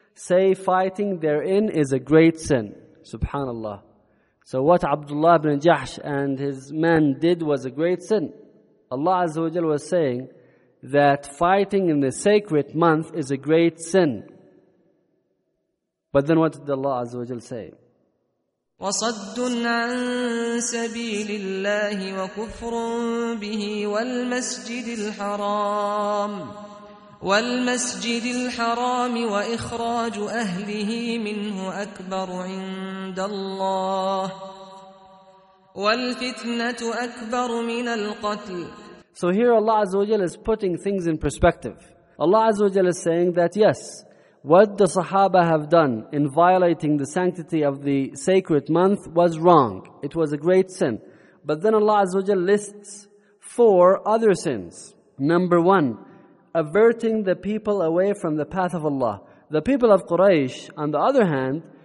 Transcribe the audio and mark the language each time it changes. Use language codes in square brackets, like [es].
[en] Say, fighting therein is a great sin. Subhanallah. So what Abdullah ibn Jahsh and his men did was a great sin. Allah Azza wa Jal was saying that fighting in the sacred month is a great sin. But then what did Allah Azza wa Jal say? [ar] وَصَدٌّ عَن سَبِيلِ اللَّهِ وَكُفْرٌ بِهِ وَالْمَسْجِدِ الْحَرَامِ والمسجد الحرام وإخراج أهله منه أكبر عند الله والفتنة أكبر من القتل. [en] So here Allah Azza wa Jalla is putting things in perspective. Allah Azza wa Jalla is saying that yes, what the Sahaba have done in violating the sanctity of the sacred month was wrong. It was a great sin. But then Allah Azza wa Jalla lists 4 other sins. Number 1, averting the people away from the path of Allah. The people of Quraysh, on the other hand,